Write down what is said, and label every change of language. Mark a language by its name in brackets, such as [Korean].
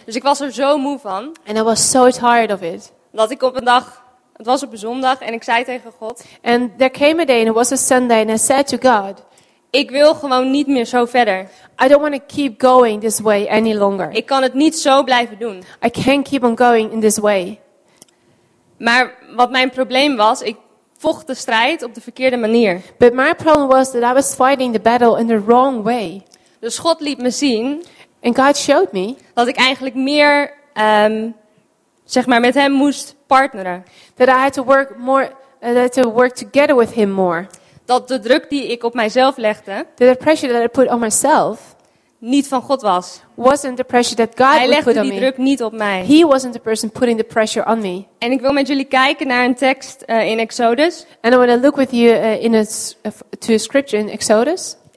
[Dutch] Dus ik was er zo moe van. [English] And I was so tired of it. [Dutch] Dat ik op een dag, het was op een zondag, en ik zei tegen God. [English] And there came a day and it was a Sunday and I said to God. [Dutch] Ik wil gewoon niet meer zo verder. [English] I don't want to keep going this way any longer. [Dutch] Ik kan het niet zo blijven doen. [English] I can't keep on going in this way. [Dutch] Maar wat mijn probleem was, ik vocht de strijd op de verkeerde manier. [English] But my problem was that I was fighting the battle in the wrong way. [Dutch] Dus God liet me zien. [English] And God showed me. [Dutch] Dat ik eigenlijk meer, zeg maar, met Hem moest partneren. [English] That I had to work more, that I had to work together with Him more. [Dutch] Dat de druk die ik op mijzelf legde, [English] the pressure that I put on myself, [Dutch] niet van God was. [English] Wasn't the pressure that God [Dutch] Hij legde [English] put on [Dutch] die [English] me. [Dutch] Druk niet op mij. [English] He wasn't the person putting the pressure on me. [Dutch] En ik wil met jullie kijken naar een tekst in Exodus. [English] And I want to look with you in to a scripture in Exodus.